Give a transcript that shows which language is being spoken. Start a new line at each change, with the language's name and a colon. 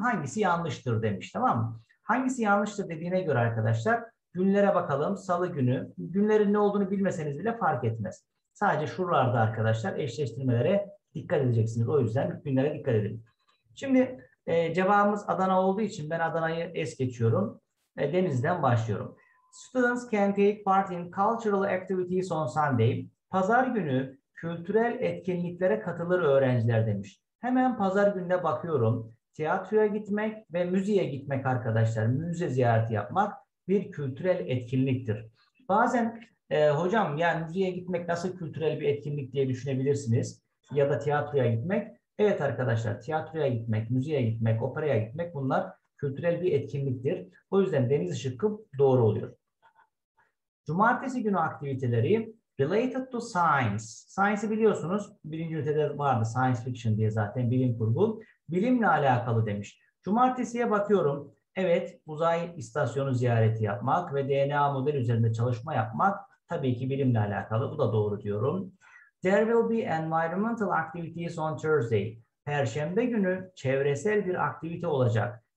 Turkish: Hangisi yanlıştır demiş, tamam mı? Hangisi yanlıştır dediğine göre arkadaşlar, günlere bakalım. Salı günü. Günlerin ne olduğunu bilmeseniz bile fark etmez. Sadece şuralarda arkadaşlar eşleştirmelere dikkat edeceksiniz. O yüzden günlere dikkat edin. Şimdi cevabımız Adana olduğu için ben Adana'yı es geçiyorum. Deniz'den başlıyorum.
English: Students can take part in cultural activities on Sunday.
Turkish: Pazar günü kültürel etkinliklere katılır öğrenciler demiş. Hemen pazar gününe bakıyorum. Tiyatroya gitmek ve müzeye gitmek arkadaşlar, müze ziyareti yapmak bir kültürel etkinliktir. Bazen hocam yani müzeye gitmek nasıl kültürel bir etkinlik diye düşünebilirsiniz. Ya da tiyatroya gitmek. Evet arkadaşlar, tiyatroya gitmek, müzeye gitmek, operaya gitmek bunlar kültürel bir etkinliktir. O yüzden deniz şıkkı doğru oluyor. Cumartesi günü aktiviteleri
English: related to science.
Turkish: Science'ı biliyorsunuz. Birinci ünitede vardı science fiction diye zaten, bilim kurgu. Bilimle alakalı demiş. Cumartesiye bakıyorum. Evet, uzay istasyonu ziyareti yapmak ve DNA model üzerinde çalışma yapmak tabii ki bilimle alakalı. Bu da doğru diyorum.
English: There will be environmental activities on Thursday.
Turkish: Perşembe günü çevresel bir aktivite olacak.